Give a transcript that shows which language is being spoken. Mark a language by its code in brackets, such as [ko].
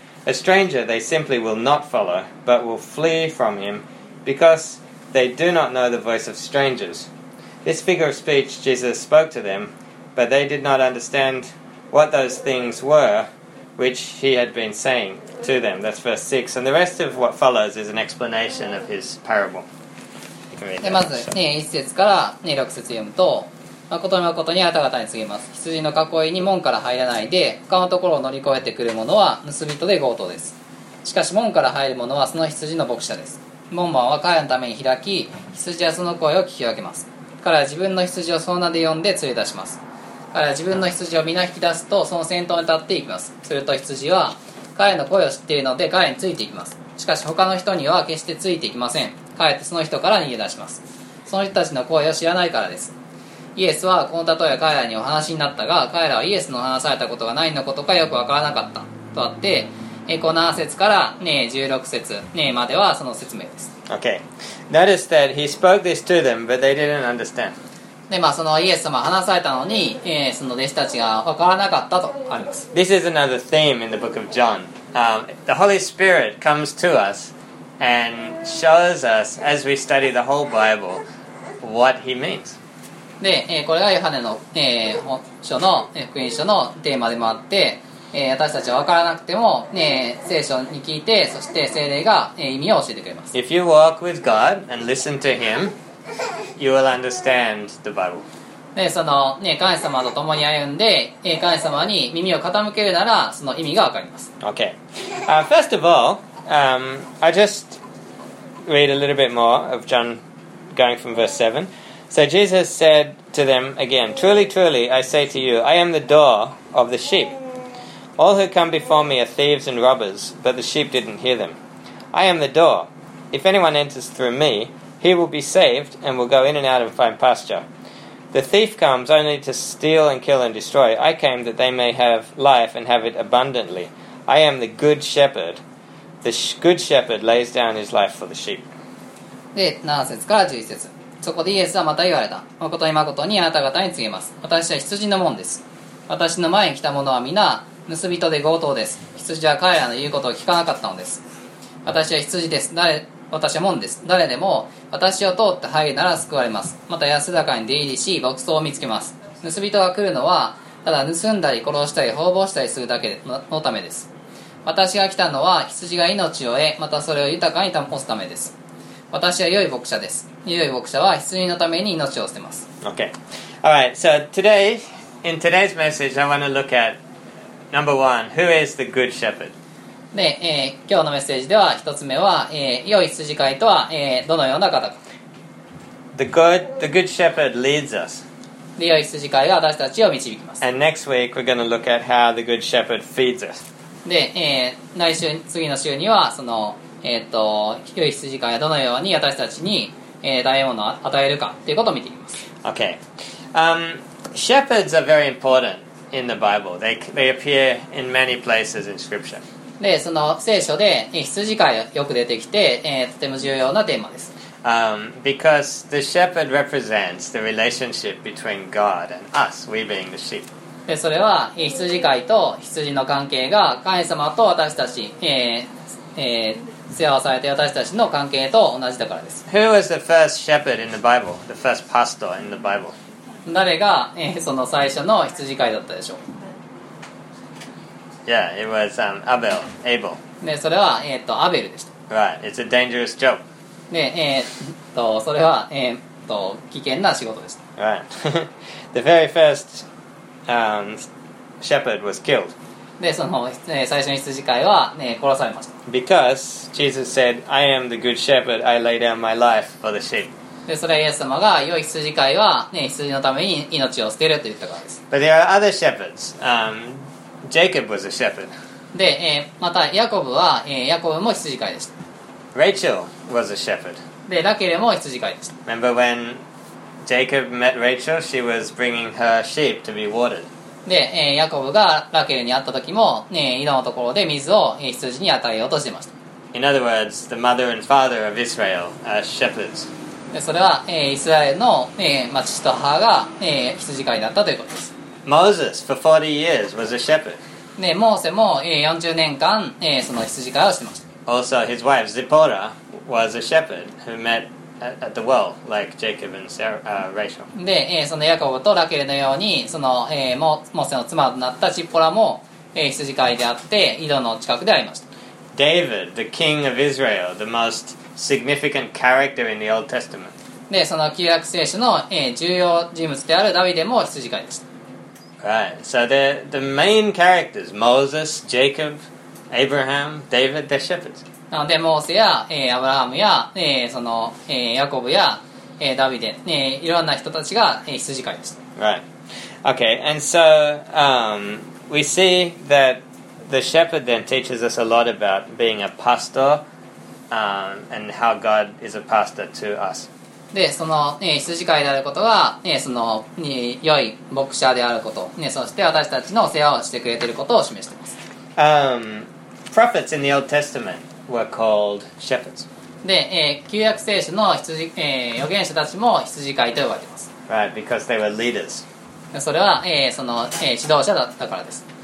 [en] A stranger they simply will not follow, but will flee from him because they do not know the voice of strangers. This figure of speech Jesus spoke to them, but they did not understand what those things were. Which he had been saying to them. That's verse 6. And the rest of what follows is an explanation of his parable. [ja] でまず、1節から、6節読むと、まことにまことにあなた方に告げます。羊の囲いに門から入らないで、他のところを乗り越えてくる者は盗人で強盗です。しかし門から入る者はその羊の牧者です。門番は彼らのために開き、羊はその声を聞き分けます。彼は自分の羊をその名で呼んで連れ出します。彼は自分の羊を皆引き出すとその先頭に立っていきます。すると羊は彼の声を知っているので彼についていきます。しかし他の人には決してついていきません。かえってその人から逃げ出します。その人たちの声を知らないからです。イエスはこの例えは彼らにお話になったが、彼らはイエスの話されたことが何のことかよくわからなかったとあって、この7節から、16節、まではその説明です。 [en] Okay. Notice that he spoke this to them, but they didn't understand. [ja] でまあ、そのイエス様は話されたのに、その弟子たちが分からなかったとあります。 [en] This is another theme in the book of John. The Holy Spirit comes to us and shows us, as we study the whole Bible, what he means. [ja] で、これがヨハネの、書の福音書のテーマでもあって、私たちは分からなくても、聖書に聞いて、そして聖霊が、意味を教えてくれます。 [en] If you walk with God and listen to Him, you will understand the Bible. [ja] で、その、神様と共に歩んで、神様に耳を傾けるなら、その意味が分かります。 [en] Okay. First of all, I just read a little bit more of John going from verse 7. So Jesus said to them again, Truly, truly, I say to you, I am the door of the sheep. All who come before me are thieves and robbers, but the sheep didn't hear them. I am the door. If anyone enters through me, he will be saved and will go in and out and find pasture. The thief comes only to steal and kill and destroy. I came that they may have life and have it abundantly. I am the good shepherd. The good shepherd lays down his life for the sheep. [ja] で、7節から11節。そこでイエスはまた言われた。誠に誠にあなた方に告げます。私は羊の門です。私の前に来た者は皆、盗人で強盗です。羊は彼らの言うことを聞かなかったのです。私は羊です。私は門です。誰でも私を通って入るなら救われます。また安らかに出入りし、牧草を見つけます。盗人が来るのは、ただ盗んだり殺したり放棄したりするだけのためです。私が来たのは、羊が命を得、またそれを豊かに保つためです。私は良い牧者です。良い牧者は羊のために命を捨てます。 [en] Okay. All right. So today, in today's message, I want to look at number one, who is the good shepherd? [ja] で、今日のメッセージでは一つ目は、良い羊飼いとは、どのような方か。 [en] The good shepherd leads us. [ja] で、良い羊飼いが私たちを導きます。 [en] And next week we're going to look at how the good shepherd feeds us. [ja] で、来週、次の週には、その、良い羊飼いはどのように私たちに、食べ物を与えるかということを見ていきます。 [en] Okay. Shepherds are very important in the Bible. They appear in many places in scripture. [ja] でその聖書で羊飼いがよく出てきて、とても重要なテーマです。 [en] Because the shepherd represents the relationship between God and us, we being the sheep. [ja] でそれは羊飼いと羊の関係が神様と私たち、世話されて私たちの関係と同じだからです。 [en] Who was the first shepherd in the Bible? The first pastor in the Bible? [ja] 誰が、その最初の羊飼いだったでしょう。 [en] Yeah, it was Abel. [ja] で、それは、アベルでした。 [en] Right, it's a dangerous job. [ja] で、それは、危険な仕事でした。 [en] Right. The very first, shepherd was killed. [ja] で、その、最初の羊飼いは、殺されました。 [en] Because Jesus said, I am the good shepherd, I lay down my life for the sheep. [ja] で、それはイエス様が、良い羊飼いは、羊のために命を捨てると言ったからです。 [en] But there are other shepherds, Jacob was a shepherd. [ja] で、またヤコブは、ヤコブも羊飼いでした。 [en] Rachel was a shepherd. [ja] で、ラケルも羊飼いでした。 [en] Remember when Jacob met Rachel, she was bringing her sheep to be watered. [ja] で、ヤコブがラケルに会った時も、井戸のところで水を羊に与えようとしていました。 [en] In other words, the mother and father of Israel are shepherds. [ja] で、それは、イスラエルの、父と母が、羊飼いだったということです。 [en] Moses for 40 years was a shepherd. [ja] ね、モーセも40年間その羊飼いをしてました。 [en] Also, his wife Zipporah was a shepherd who met at the well like Jacob and Sarah, Rachel. [ja] で、そのヤコブとラケルのようにそのモーセの妻となったチッポラも羊飼いであって井戸の近くで会いました。 [en] David, the king of Israel, the most significant character in the Old Testament. [ja] で、その旧約聖書の重要人物であるダビデも羊飼いでした。 [en] Right, so the main characters, Moses, Jacob, Abraham, David, they're shepherds. [ja] なので、モーセや、アブラハムや、その、ヤコブや、ダビデ、いろんな人たちが、羊飼いです。 [en] Right. Okay, and so, we see that the shepherd then teaches us a lot about being a pastor, and how God is a pastor to us. [ja] で、その、羊飼いであることが、その、良い牧者であること、そして私たちの世話をしてくれていることを示しています。 [en] Prophets in the Old Testament were called shepherds. [ja] で、旧約聖書の預言者たちも羊飼いと呼ばれています。 [en] Right, because they were leaders. [ja] それは、その、指導者だったからです。